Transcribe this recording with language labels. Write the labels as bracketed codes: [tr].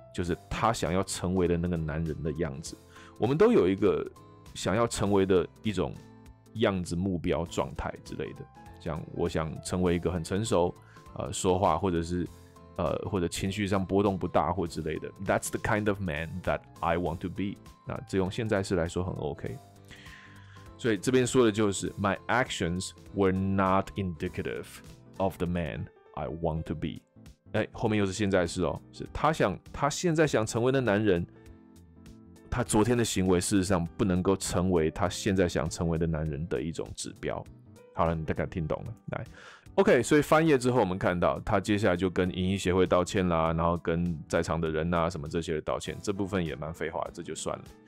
[zh] 就是他想要成为的那个男人的样子。我们都有一个想要成为的一种样子、目标、状态之类的。像我想成为一个很成熟，说话或者是或者情绪上波动不大或之类的。 [en] That's the kind of man that I want to be。 [zh] 那这用现在式来说很 OK。所以这边说的就是 [en] My actions were not indicative of the man I want to be。 [zh] 哎，后面又是现在式哦，是他现在想成为的男人。他昨天的行为事实上不能够成为他现在想成为的男人的一种指标。好了，你大概听懂了。来 ，OK， 所以翻页之后，我们看到他接下来就跟影音协会道歉啦，然后跟在场的人啊什么这些的道歉，这部分也蛮废话的，这就算了。